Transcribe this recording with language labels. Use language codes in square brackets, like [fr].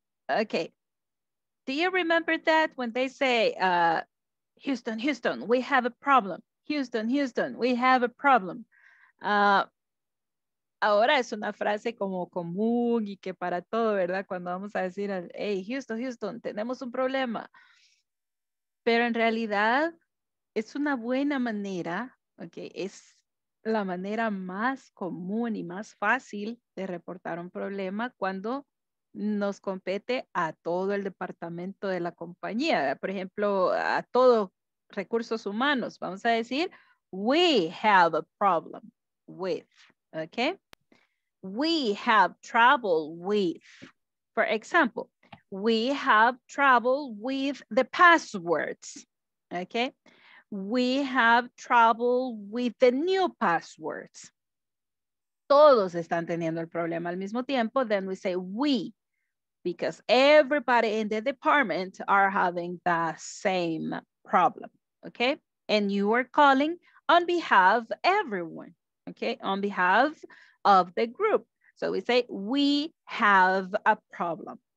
[en] Okay, do you remember that when they say, Houston, Houston, we have a problem. Houston, Houston, we have a problem. [es] Ahora es una frase como común y que para todo, ¿verdad? Cuando vamos a decir, hey, Houston, Houston, tenemos un problema. Pero en realidad es una buena manera, ¿ok? Es la manera más común y más fácil de reportar un problema cuando nos compete a todo el departamento de la compañía. Por ejemplo, a todos recursos humanos. Vamos a decir, [en] we have a problem with, ¿ok? We have trouble with. For example, We have trouble with the passwords. Okay. We have trouble with the new passwords. [es] Todos están teniendo el problema al mismo tiempo. [en] Then we say we, because everybody in the department are having the same problem. Okay. And you are calling on behalf of everyone. Okay. On behalf of the group. So we say we have a problem.